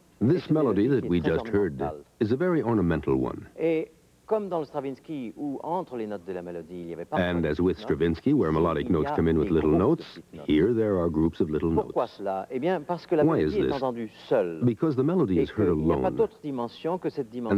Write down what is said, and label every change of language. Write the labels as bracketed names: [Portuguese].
[English] this melody that we just heard is a very ornamental one. [French] Et comme dans le Stravinsky, où entre les notes de la mélodie, il y avait pas. [English] And as with Stravinsky, where melodic notes come in with little notes, here there are groups of little notes. [French] Pourquoi cela? Eh bien, parce que la mélodie est entendue seule. [English] Because the melody is heard alone. [French] Il n'y a pas d'autre dimension que cette dimension.